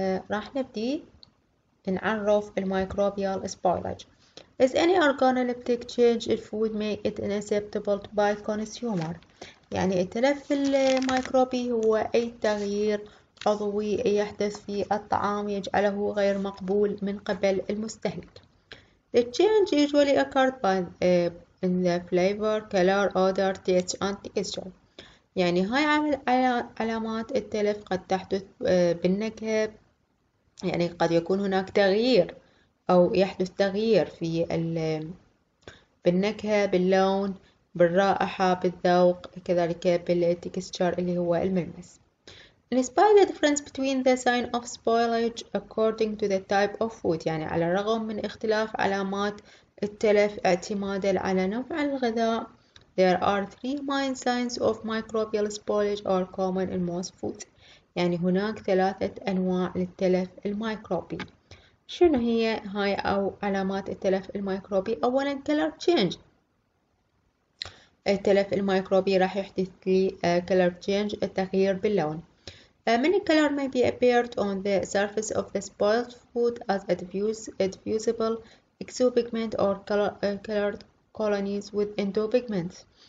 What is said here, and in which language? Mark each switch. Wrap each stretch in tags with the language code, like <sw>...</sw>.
<ar>راح نبدي نعرف الميكروبيال سبويلج.</ar> <en>Is any organoleptic change in food make it unacceptable by consumer؟</en> <ar>يعني التلف الميكروبي هو أي تغيير عضوي يحدث في الطعام يجعله غير مقبول من قبل المستهلك.</ar> <en>The change usually occurred by in the flavor, color, odor, taste and texture.</en> <ar>يعني هاي علامات التلف قد تحدث بالنكهة، يعني قد يكون هناك تغيير أو يحدث تغيير في بالنكهة، باللون، بالرائحة، بالذوق، كذلك بالتكستشر اللي هو الملمس.</ar> <en>Despite the difference between the sign of spoilage according to the type of food،</en> <ar>يعني على الرغم من اختلاف علامات التلف اعتمادا على نوع الغذاء،</ar> <en>there are three main signs of microbial spoilage are common in most foods.</en> <ar>يعني هناك ثلاثة أنواع للتلف الميكروبي. شنو هي هاي او علامات التلف الميكروبي؟ اولا color change، التلف الميكروبي راح يحدث لي color change، التغيير باللون.</ar> <en>Many color may be appeared on the surface of the spoiled food as a diffusible exopigment or colored colonies with endopigment.</en>